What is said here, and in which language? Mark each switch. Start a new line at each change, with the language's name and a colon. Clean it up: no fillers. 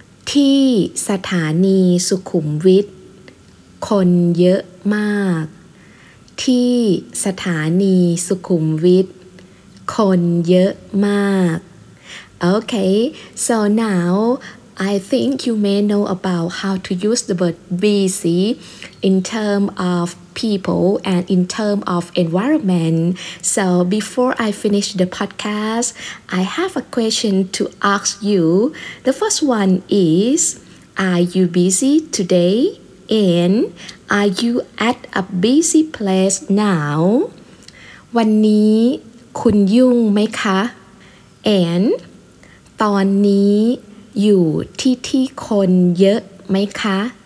Thai: ที่สถานีสุขุมวิทคนเยอะมากที่สถานีสุขุมวิทคนเยอะมาก
English: okay so now I think you may know about how to use the word busy in terms of people and in terms of environment. So before I finish the podcast, I have a question to ask you. The first one is, are you busy today? And are you at a busy place now?
Thai: วันนี้คุณยุ่งไหมคะ? And ตอนนี้อยู่ที่ที่คนเยอะไหมคะ?